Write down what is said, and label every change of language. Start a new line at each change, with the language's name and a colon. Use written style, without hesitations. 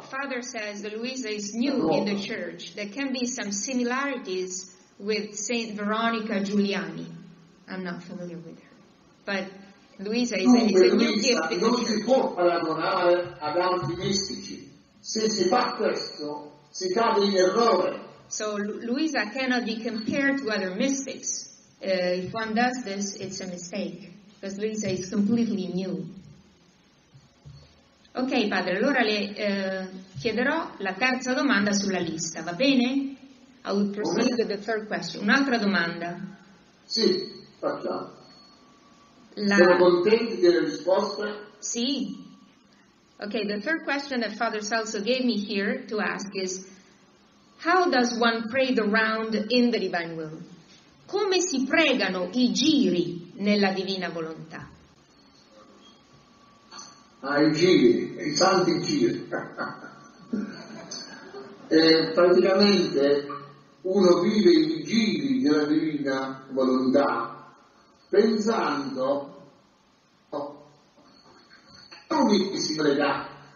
English: Father says that Luisa is new in the church. There can be some similarities with Saint Veronica Giuliani. I'm not familiar with her, but Luisa is a new gift.
Italian: Dunque Luisa non si può paragonare ad altri mistici. Se si fa questo, si cade in errore.
English: So Luisa cannot be compared to other mystics. If one does this, it's a mistake, because Luisa is completely new.
Italian: Ok, padre, allora le chiederò la terza domanda sulla lista, va bene?
English: I will proceed with the third question.
Italian: Un'altra domanda. Sì, facciamo. La... Siamo contenti delle risposte? Sì.
English: Okay, the third question that Father Celso gave me here to ask is, how does one pray the round in the divine will?
Italian: Come si pregano I giri nella divina volontà? I giri, i santi giri. praticamente uno vive i giri della divina volontà pensando, come si prega?